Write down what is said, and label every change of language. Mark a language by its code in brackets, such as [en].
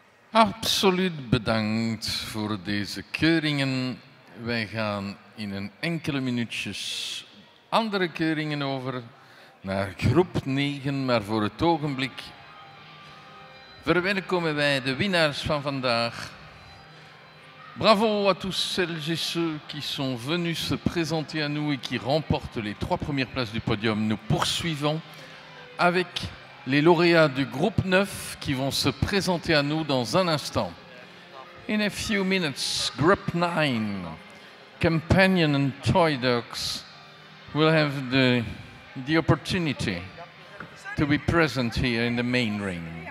[nl] Absoluut bedankt voor deze keuringen. Wij gaan in een enkele minuutjes andere keuringen over naar groep 9. Maar voor het ogenblik verwelkomen wij de winnaars van vandaag. [fr] Bravo à tous celles et ceux qui sont venus se présenter à nous et qui remportent les trois premières places du podium. Nous poursuivons avec les lauréats du groupe 9 qui vont se présenter à nous dans un instant. [en] In a few minutes, group 9. Companion and toy dogs will have the opportunity to be present here in the main ring.